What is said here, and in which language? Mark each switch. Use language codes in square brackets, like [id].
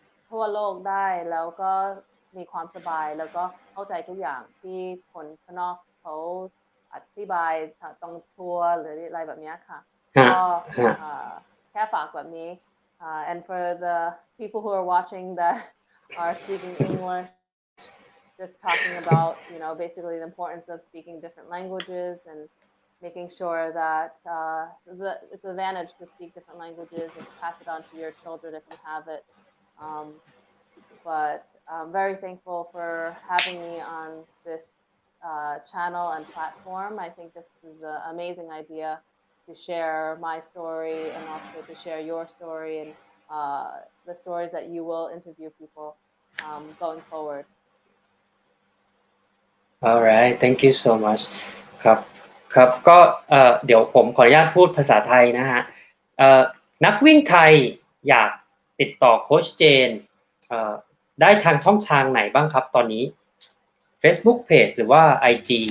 [th] ทั่วโลกได้แล้วก็มีความสบายแล้วก็เข้าใจทุกอย่างที่คนข้างนอกเขาอธิบายตรงทัวร์หรืออะไรแบบนี้ค่ะก็แค่ฝากแบบนี้ [en] and for the people who are watching that are speaking EnglishJust talking about, you know, basically the importance of speaking different languages and making sure that it's an advantage to speak different languages and pass it on to your children if you have it. But I'm very thankful for having me on this channel and platform. I think this is an amazing idea to share my story and also to share your story and the stories that you will interview people going forward. All right, thank you so much. [th] ครับครับก็เดี๋ยวผมขออนุญาตพูดภาษาไทยนะฮะนักวิ่งไทยอยากติดต่อโค้ชเจนได้ทางช่องทางไหนบ้างครับตอนนี้ Facebook page หรือว่า IG